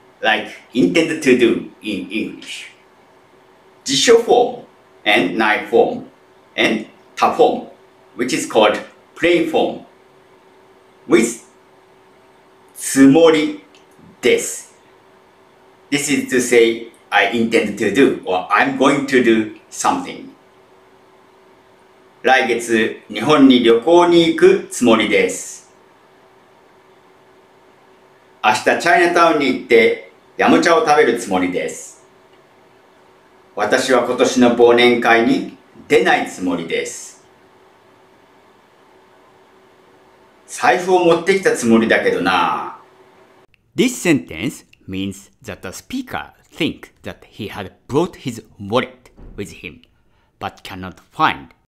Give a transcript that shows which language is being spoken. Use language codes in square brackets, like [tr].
[en] Like intend to do in English. 辞書 form and night form and ta form, which is called plain form, with つもりです. This is to say I intend to do or I'm going to do something. [ja] 来月日本に旅行に行くつもりです. 明日チャイナタウンに行ってヤムチャを食べるつもりです。私は今年の忘年会に出ないつもりです。財布を持ってきたつもりだけどな。 [en] This sentence means that the speaker thinks that he had brought his wallet with him, but cannot find.